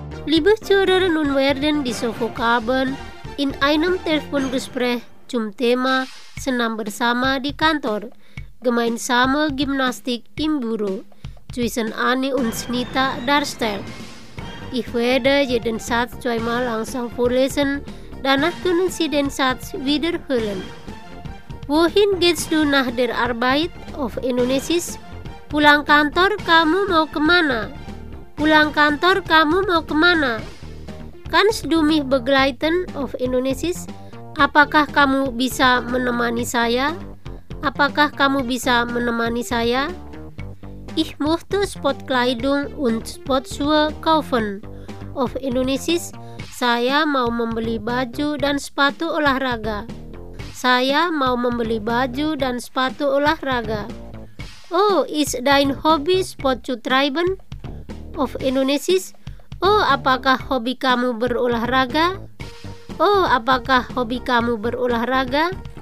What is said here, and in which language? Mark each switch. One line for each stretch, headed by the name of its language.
German: Liebe Zuhörer, nun werden diese Vokabeln in einem Telefongespräch zum Thema
Indonesian: Senam bersama di kantor,
German: gemeinsame Gymnastik im Büro, zwischen Ani und Nita darstellen. Ich werde jeden Satz zweimal langsam vorlesen, danach können Sie den Satz wiederholen. Wohin gehst du nach der Arbeit auf Indonesisch?
Indonesian: Pulang kantor, kamu mau kemana? Pulang kantor kamu mau kemana?
German: Kannst du mich begleiten of Indonesisch?
Indonesian: Apakah kamu bisa menemani saya? Apakah kamu bisa menemani saya?
German: Ich möchte Sportkleidung und Sportschuhe kaufen of Indonesisch.
Indonesian: Saya mau membeli baju dan sepatu olahraga. Saya mau membeli baju dan sepatu olahraga.
German: Oh, is dein Hobby Sport zu treiben? Of Indonesia?
Indonesian: Oh, apakah hobi kamu berolahraga? Oh, apakah hobi kamu berolahraga?